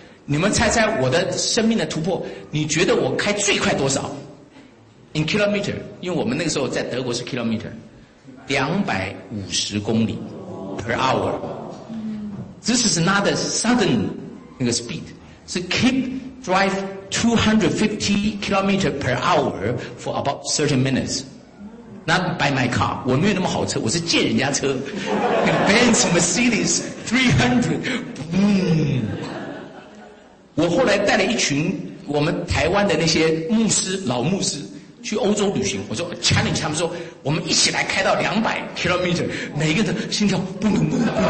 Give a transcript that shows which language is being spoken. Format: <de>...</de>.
<zh>你们猜猜我的生命的突破，你觉得我开最快多少</zh> <en>in kilometer，</en> <zh>因为我们那个时候在德国是 kilometer 250公里</zh> <en>per hour。 This is not a sudden</en> <zh>那个</zh> <en>speed， 是 keep drive 250 kilometers per hour for about 30 minutes not by my car，</en> <zh>我没有那么好车，我是借人家车</zh> <en>Benz Mercedes 300 boom。</en> <zh>我后来带了一群我们台湾的那些牧师老牧师去欧洲旅行，我说 challenge 他们说，我们一起来开到200 kilometers， 每一个人心跳不能不能。</zh>